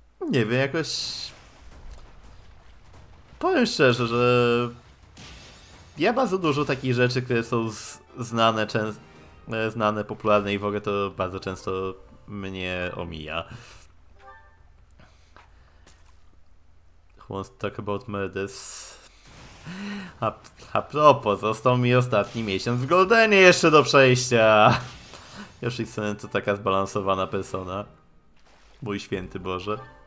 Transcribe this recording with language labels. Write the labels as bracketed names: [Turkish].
[Polish] Nie wiem, jakoś... Powiem szczerze, że... Ja bardzo dużo takich rzeczy, które są znane, znane, popularne i w ogóle to bardzo często mnie omija. [English] Who wants to talk about murders? [Polish] A propos, został mi ostatni miesiąc w Goldenie jeszcze do przejścia! Już jestem to taka zbalansowana persona. Mój święty Boże.